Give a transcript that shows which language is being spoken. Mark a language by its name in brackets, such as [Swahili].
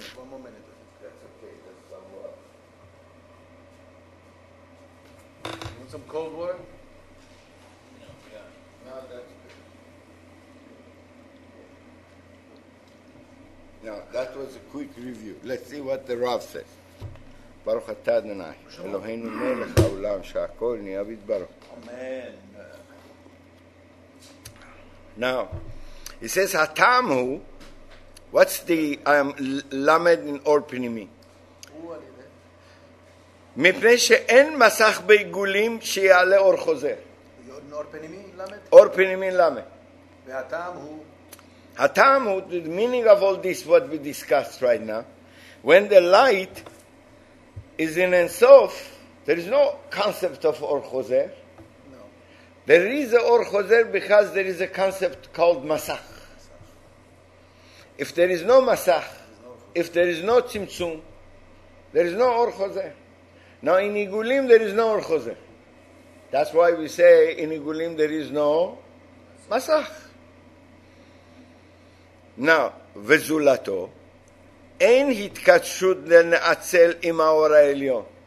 [English] That's okay, that's some water. You want some cold water? No, that's good. Now, that was a quick review. Let's see what the Rav says. [Hebrew] ברוך אתה אדוני, אלוהינו מלך העולם שהכל נהיה בדברו. אמן. [English] Now, he says, [Hebrew] הטעם הוא, [English] what's the למד in אור פנימי? [Hebrew] מפני שאין מסך בעיגולים שיעלה אור חוזר. אור פנימי למד? אור פנימי למד. והטעם הוא? הטעם הוא, [English] the meaning of all this, what we discussed right now, when the light is in Ein Sof, there is no concept of Or Chozer. No. There is a Or Chozer because there is a concept called Masach. If there is no Masach, if there is no Tzimtzum, there is no Or Chozer. Now in Igulim there is no Or Chozer. That's why we say in Igulim there is no Masach. [Hebrew] Now, Vezulato, אין התקדשות לנעצל עם האור העליון.